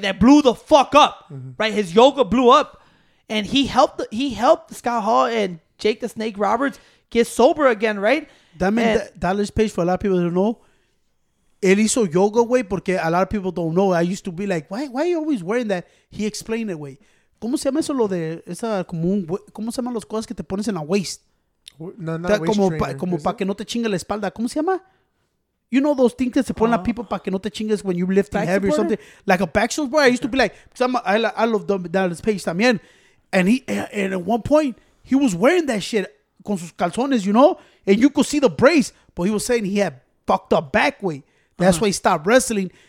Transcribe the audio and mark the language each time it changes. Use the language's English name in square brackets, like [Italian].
[English] That blew the fuck up, mm-hmm. right? His yoga blew up. And he helped Scott Hall and Jake the Snake Roberts get sober again, right? Dallas Page, for a lot of people to know, [Spanish] él hizo yoga, güey, porque [English] a lot of people don't know. I used to be like, why are you always wearing that? He explained it, güey. [Spanish] ¿Cómo se llama eso lo de esa como un cómo se llaman las cosas que te pones en la waist? [English] No, waist [Spanish] como [English] trainer, [Spanish] como para que no te chingue la espalda. ¿Cómo se llama? [English] You know those things that [Spanish] se ponen a [English] people [Spanish] para que no te chingues [English] when you're lifting back heavy supporter? Or something like a back supporter. Okay. I used to be like, I love Dallas Page también. And at one point he was wearing that shit [Spanish] con sus calzones, [English] you know, and you could see the brace. But he was saying he had fucked up back way. That's why he stopped wrestling.